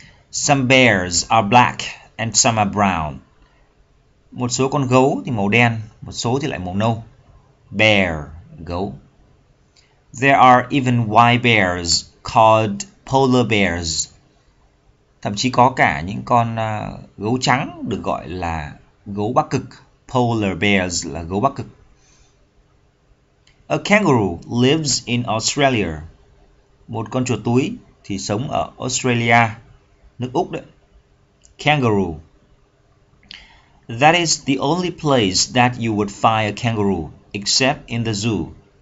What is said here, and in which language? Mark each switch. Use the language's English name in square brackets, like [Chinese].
[English] Some bears are black and some are brown. [Vietnamese] Một số con gấu thì màu đen, một số thì lại màu nâu. Bear, gấu. [English] There are even white bears called polar bears. [Vietnamese] Thậm chí có cả những con gấu trắng được gọi là gấu Bắc Cực. [English] Polar bears [Vietnamese] là gấu Bắc Cực. [English] A kangaroo lives in Australia. [Vietnamese] Một con chuột túi thì sống ở Australia, nước Úc đấy. [English] Kangaroo. That is the only place that you would find a kangaroo, except in the zoo.